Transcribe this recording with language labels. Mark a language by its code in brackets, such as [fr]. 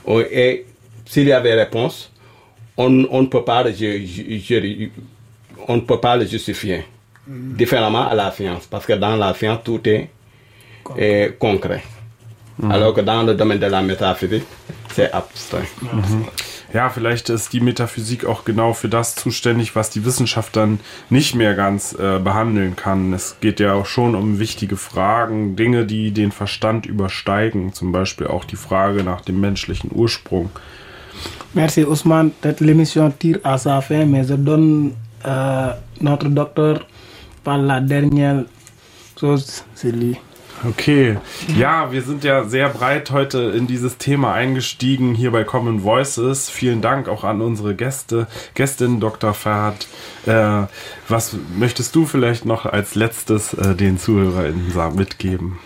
[fr] Et s'il y avait réponse, on ne peut pas le justifier différemment à la science, parce que dans la science, tout est concret. Alors que dans le domaine de la métaphysique, c'est abstrait. [de] Ja, vielleicht ist die Metaphysik auch genau für das zuständig, was die Wissenschaft dann nicht mehr ganz behandeln kann. Es geht ja auch schon um wichtige Fragen, Dinge, die den Verstand übersteigen, zum Beispiel auch die Frage nach dem menschlichen Ursprung. [fr] Merci, Ousmane. Cette l'émission tire à sa fin, mais je donne notre docteur par la dernière chose, c'est lui. [de] Okay, ja, wir sind ja sehr breit heute in dieses Thema eingestiegen, hier bei Common Voices. Vielen Dank auch an unsere Gästin Dr. Farhad. Was möchtest du vielleicht noch als letztes den ZuhörerInnen mitgeben?